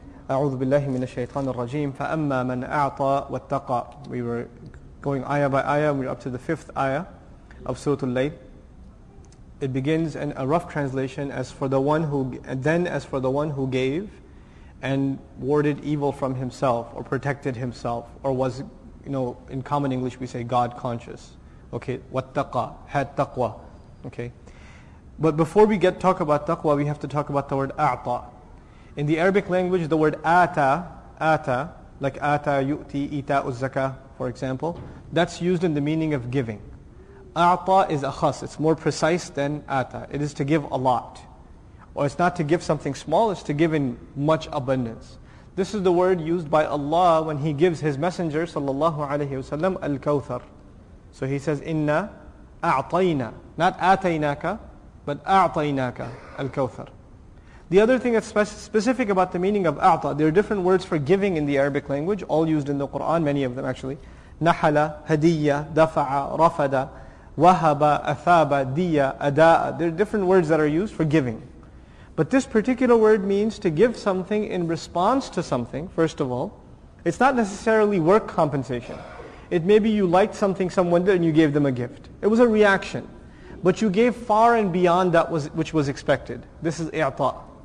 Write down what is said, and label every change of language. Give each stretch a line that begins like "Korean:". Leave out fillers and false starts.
Arabic: أعوذ بالله من الشيطان الرجيم فأما من أعطى واتقى.
English: We were going ayah by ayah. We're up to the fifth ayah of Surah Al-Layl. It begins in a rough translation, as for the one who gave and warded evil from himself or protected himself or was, you know, in common English we say God conscious. Okay, واتقى, had taqwa. Okay, but before we get talk about taqwa, we have to talk about the word أعطى. In the Arabic language, the word ata, like ata, yu'ti, ita, uzzaka, for example, that's used in the meaning of giving. A'ta is akhas, it's more precise than ata. It is to give a lot. Or it's not to give something small, it's to give in much abundance. This is the word used by Allah when He gives His Messenger, sallallahu alayhi wa sallam, al-kawthar. So He says, inna a'tayna, not ataynaka, but a'tayna al-kawthar. The other thing that's specific about the meaning of أعطى, there are different words for giving in the Arabic language, all used in the Quran, many of them actually.
Arabic: نحلة, هدية, دفعة, رفدة, وهبة, أثابة, دية, أداء.
English: There are different words that are used for giving. But this particular word means to give something in response to something, first of all. It's not necessarily work compensation. It may be you liked something someone did and you gave them a gift. It was a reaction. But you gave far and beyond that which was expected. This is إعطاء.